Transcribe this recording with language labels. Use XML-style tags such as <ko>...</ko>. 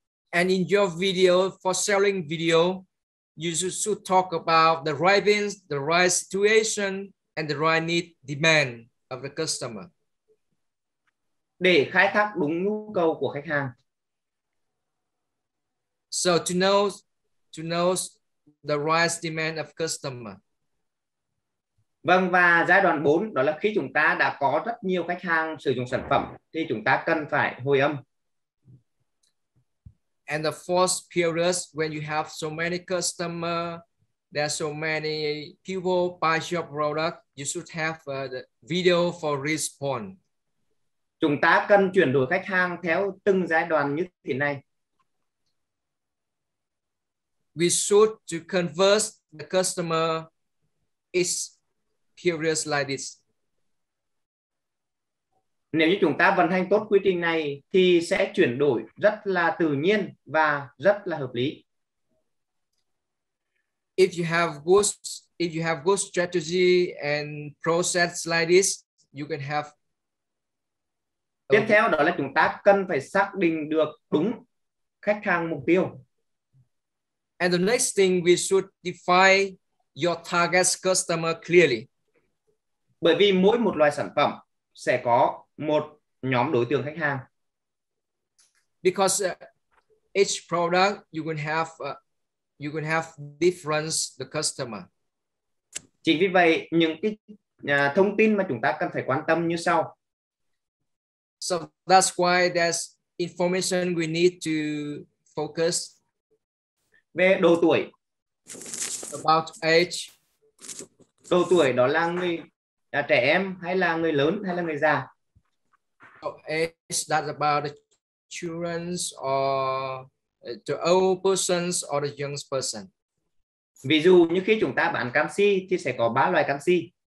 <en>And in your video for selling video you should talk about the right things, the right situation and the right need demand of the customer.</en> <vi>Để khai thác đúng nhu cầu của khách hàng.</vi> <en>So to know the right demand of customer.</en> <vi>Vâng, và giai đoạn 4 đó là khi chúng ta đã có rất nhiều khách hàng sử dụng sản phẩm thì chúng ta cần phải hồi âm.</vi> <en>And the fourth period when you have so many customer, there are so many people buy your product, you should have the video for response.</en> <vi>Chúng ta cần chuyển đổi khách hàng theo từng giai đoạn như thế này.</vi> <en>We should to convert the customer is curious like this.</en> <vi>Nếu như chúng ta vận hành tốt quy trình này thì sẽ chuyển đổi rất là tự nhiên và rất là hợp lý.</vi> <en>If you have good strategy and process like this, you can have.</en> <vi>Tiếp theo đó là chúng ta cần phải xác định được đúng khách hàng mục tiêu.</vi> <en>And the next thing, we should define your target customer clearly.</en> <vi>Bởi vì mỗi một loại sản phẩm sẽ có một nhóm đối tượng khách hàng.</vi> <en>Because each product you can have different the customer.</en> <vi>Chính vì vậy những cái thông tin mà chúng ta cần phải quan tâm như sau.</vi> <en>So that's why there's information we need to focus.</en> <vi>Về độ tuổi.</vi> <en>About age.</en> <vi>Độ tuổi đó là người trẻ em hay là người lớn hay là người già.</vi> <en>Age, that's about the children or the old persons or the young person.</en> <vi>Ví dụ như khi chúng ta bán canxi thì sẽ có 3 loại canxi.</vi>